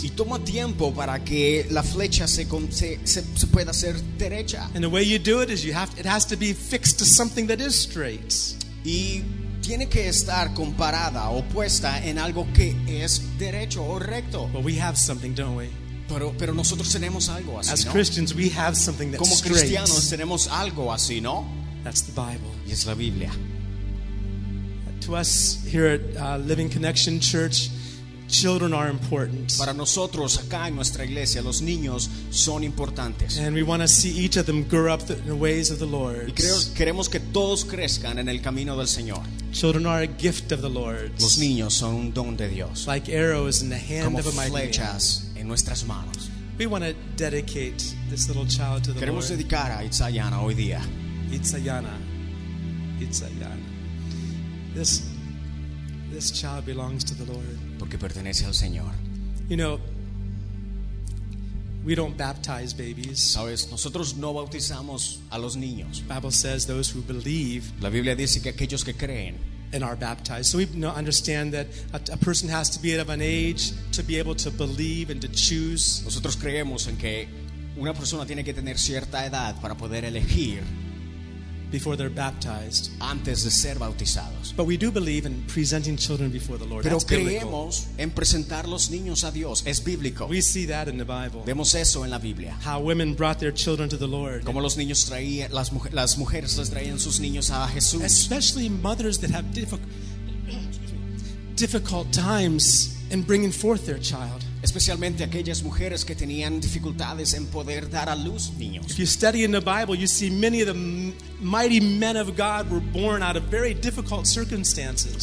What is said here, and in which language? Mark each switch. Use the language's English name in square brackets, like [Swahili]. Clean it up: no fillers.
[Spanish] Y toma tiempo para que la flecha se pueda hacer derecha. [English] And the way you do it is it has to be fixed to something that is straight. [Spanish] Y tiene que estar comparada o puesta en algo que es derecho o recto. [English] But we have something, don't we? [Spanish] Pero nosotros tenemos algo así, ¿no? [English] As Christians, we have something that's straight. [Spanish] Como cristianos tenemos algo así, ¿no? [English] That's the Bible. [Spanish] Y es la Biblia. [English] To us here at Living Connection Church, children are important. [Spanish] Para nosotros acá en nuestra iglesia, los niños son importantes. [English] And we want to see each of them grow up in the ways of the Lord. [Spanish] Y queremos que todos crezcan en el camino del Señor. [English] Children are a gift of the Lord. [Spanish] Los niños son un don de Dios. [English] Like arrows in the hand [Spanish] como [English] of a mighty man. [Spanish] Como flechas en nuestras manos. [English] We want to dedicate this little child to the Lord. [Spanish] Queremos dedicar a Itziana hoy día. [English] Itziana. Itziana. This child belongs to the Lord. [Spanish] Porque pertenece al Señor. [English] You know, we don't baptize babies. [Spanish] Sabes, nosotros no bautizamos a los niños. [English] The Bible says those who believe. [Spanish] La Biblia dice que aquellos que creen. [English] And are baptized. So we understand that a person has to be of an age to be able to believe and to choose. [Spanish] Nosotros creemos en que una persona tiene que tener cierta edad para poder elegir. [English] Before they're baptized. [Spanish] Antes de ser bautizados. [English] But we do believe in presenting children before the Lord. [Spanish] Pero [English] that's [Spanish] creemos [English] biblical. [Spanish] En presentar los niños a Dios. Es bíblico. [English] We see that in the Bible. [Spanish] Vemos eso en la Biblia. [English] How women brought their children to the Lord. [Spanish] Como los niños traían, las mujeres les traían sus niños a Jesús. [English] Especially mothers that have difficult times in bringing forth their child. [Spanish] Especialmente aquellas mujeres que tenían dificultades en poder dar a luz niños. [English] If you study in the Bible, you see many of the mighty men of God were born out of very difficult circumstances.